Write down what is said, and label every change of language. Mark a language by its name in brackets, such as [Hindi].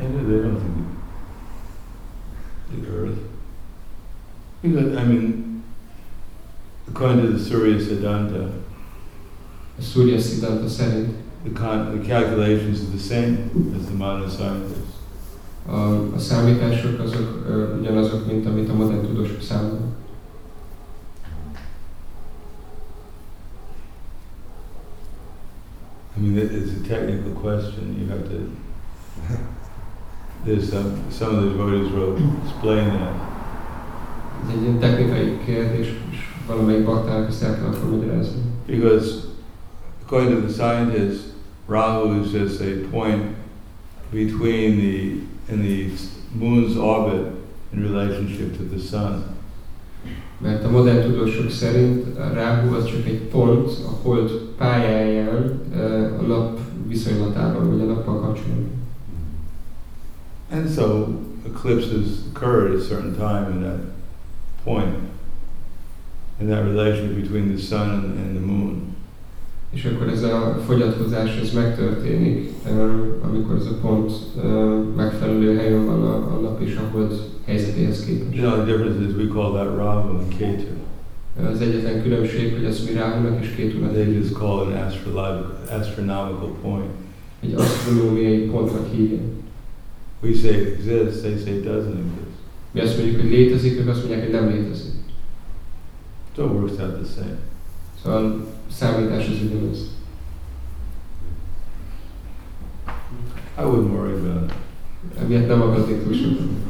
[English] Maybe they don't think the Earth. Because, I mean, according to the Surya Siddhanta, Surya Siddhanta said it. The calculations are the same as the modern scientists. [Hungarian] A számítások azok ugyanazok, mint amit a modern tudósok számolnak. [English] I mean, it's a technical question. You have to. There's some of the devotees wrote explain that. [Hungarian] Ez egy ilyen technikai kérdés, és valamelyik bakták ezt el kell formulázni. [English] Because according to the scientists, Rahu is just a point between the moon's orbit in relationship to the sun. [Hungarian] Mert a modern tudósok szerint Rahu az csak egy pont a hold pályáján a nap viszonylatában, vagy a nappal kapcsolatban. [English] And so eclipses occur at a certain time in that point, in that relationship between the sun and the moon. [Hungarian] És akkor ez a fogyatkozás ez megtörténik, amikor ez a pont megfelelő helyen van a nap és a hold helyzetéhez képest. [English] No, the difference is we call that Rahu and Ketu. [Hungarian] Az egyetlen különbség, hogy ezt mi Rahunak és Ketunak. [English] They just call it an astronomical point. [Hungarian] Egy asztronómiai pontnak hívják. [English] We say it exists, they say it doesn't exist. [Hungarian] Mi azt mondjuk, hogy létezik, ők azt mondják, hogy nem létezik. [English] So it works out the same. [Hungarian] Szóval számítás az ugyanaz. [English] I wouldn't worry about it. [Hungarian] Emiatt nem aggódnék túl sokan.